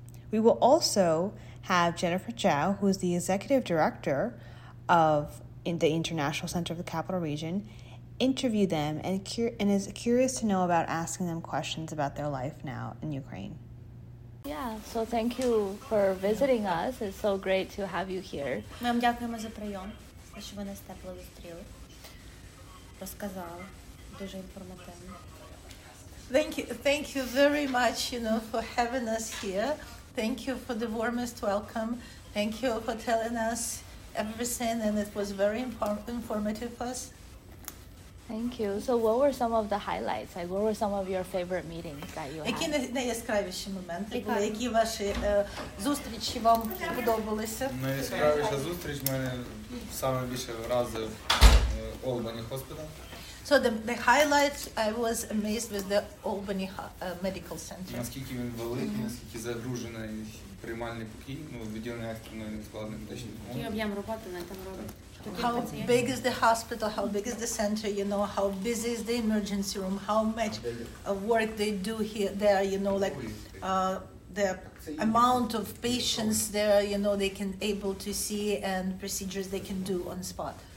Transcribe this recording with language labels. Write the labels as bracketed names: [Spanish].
[English] We will also have Jennifer Zhao, who is the executive director of the International Center of the Capital Region, interview them and is curious to know about asking them questions about their life now in Ukraine. Yeah, so thank you for visiting us. It's so great to have you here. [Ukrainian] Ми вам дякуємо за прийом, за що ви нас тепло зустріли. Розказали. Дуже інформативно. [English] Thank you very much, you know, for having us here. Thank you for the warmest welcome. Thank you for telling us everything, and it was very informative for us. Thank you. So what were some of the highlights? Like, what were some of your favorite meetings that you had? [Ukrainian] Які найяскравіші моменти були? Які ваші зустрічі вам подобалися? Найяскравіша зустріч мене саме більше вразив Albany Hospital. [English] So the highlights, I was amazed with the Albany Medical Center. [Ukrainian] Наскільки він великий, наскільки загружений приймальний покій, ну, відділення екстреної невідкладної медичної допомоги. Який об'єм роботи вони там роблять? [English] How big is the hospital, how big is the center, you know, how busy is the emergency room, how much of work they do here, there, you know, like the amount of patients there, you know, they can able to see and procedures they can do on spot.